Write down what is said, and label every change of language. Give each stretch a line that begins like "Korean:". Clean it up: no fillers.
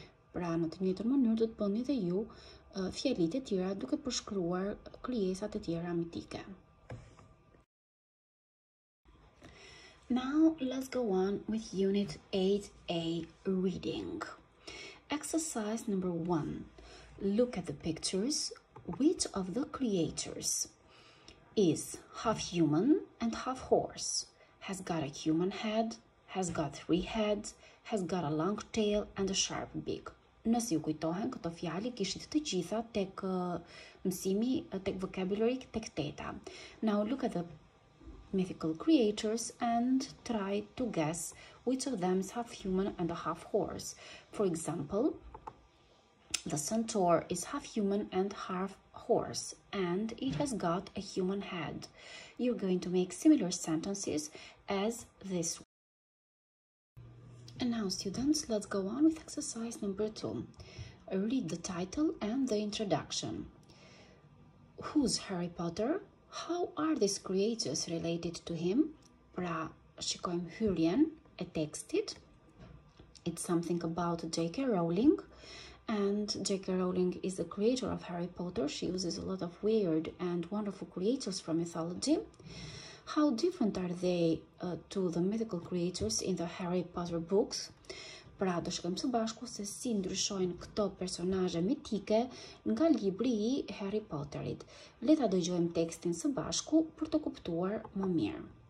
Albanian: Pra në të njëjtën mënyrë do të bëni dhe ju fjalitë e tjera duke përshkruar krijesat e tjera mitike.
English: Now let's go on with unit 8A reading. Exercise number 1. Look at the pictures. Which of the creatures is half human and half horse? Has got a human head, has got three heads, has got a long tail and a sharp beak.
Albanian: Nëse ju kujtohen, këto fjali kishit të gjitha tek mësimi, tek vocabulary, tek teta.
English: Now look at the mythical creatures and try to guess which of them is half human and a half horse. For example, The centaur is half human and half horse, and it has got a human head. You're going to make similar sentences as this one. And now, students, let's go on with exercise number two. Read the title and the introduction. Who's Harry Potter? How are these creatures related to him?
Albanian: Pra shikojm hyrjen e tekstit.
English: It's something about J.K. Rowling. And J.K. Rowling is the creator of Harry Potter. She uses a lot of weird and wonderful creatures from mythology. How different are they to the mythical creatures in the Harry Potter books?
Albanian: Pra do shkojmë së bashku se si ndryshojnë këto personazhe mitike nga libri I Harry Potterit. Le ta dëgjojmë tekstin së bashku për të kuptuar më mirë.